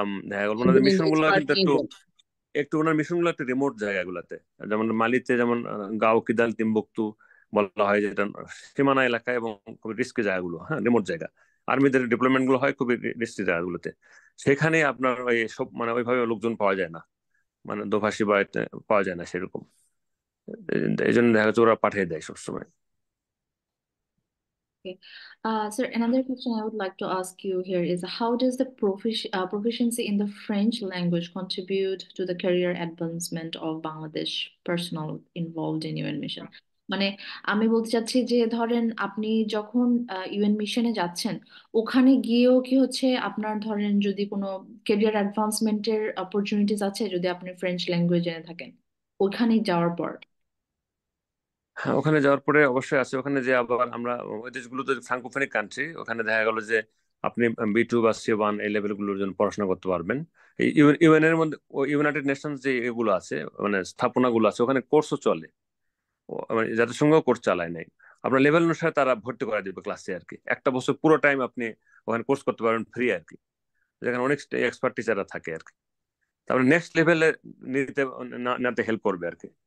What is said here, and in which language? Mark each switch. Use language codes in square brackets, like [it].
[bn] দেখা গেল, ওনাদের মিশন গুলো কিন্তু একটু একটু ওনার মিশন গুলো একটু রিমোট জায়গাগুলোতে, যেমন মালিতে, যেমন গাও কিদাল তিম্বুকতু বলা হয় যেটা সীমানা এলাকা এবং খুবই রিস্কি জায়গাগুলো, হ্যাঁ রিমোট জায়গা, আর্মিদের ডিপ্লয়মেন্ট গুলো হয় খুবই রিস্কি জায়গাগুলোতে, সেখানে আপনার ওই সব মানে ওইভাবে লোকজন পাওয়া যায় না, মানে দোভাষী বা পাওয়া যায় না সেরকম, এই জন্য দেখা যাচ্ছে ওরা পাঠিয়ে দেয় সবসময়। [en] Sir, another question I would like to ask you here is, how does the proficiency in the French language contribute to the career advancement of Bangladesh personnel involved in UN mission? [bn] মানে আমি বলতে চাচ্ছি যে, ধরেন আপনি যখন UN মিশনে যাচ্ছেন, ওখানে গিয়েও কি হচ্ছে আপনার, ধরেন যদি কোনো ক্যারিয়ার অ্যাডভান্সমেন্টের অপরচুনিটিস আছে, যদি আপনি ফ্রেঞ্চ ল্যাঙ্গুয়েজ জেনে থাকেন ওখানে যাওয়ার পর? হ্যাঁ, ওখানে যাওয়ার পরে অবশ্যই আছে, ওখানে যে আবার আমরা ওই দেশগুলো তো ফ্রাঙ্কোফোনিক কান্ট্রি, ওখানে দেখা গেল যে আপনি B2 বা C1 এই লেভেল গুলোর জন্য পড়াশোনা করতে পারবেন, ইউএন এর মধ্যে ইউনাইটেড নেশনস যে এগুলো আছে মানে স্থাপনা গুলো আছে, ওখানে কোর্সও চলে, মানে জাতিসংঘও কোর্স চালায় নাই, আপনার লেভেল অনুসারে তারা ভর্তি করে দেবে ক্লাসে আর কি, একটা বছর পুরো টাইম আপনি ওখানে কোর্স করতে পারবেন ফ্রি আর কি, যেখানে অনেক এক্সপার্ট টিচাররা থাকে আর কি, তারপরে নেক্সট লেভেলে নিতে নিতে হেল্প করবে আর কি।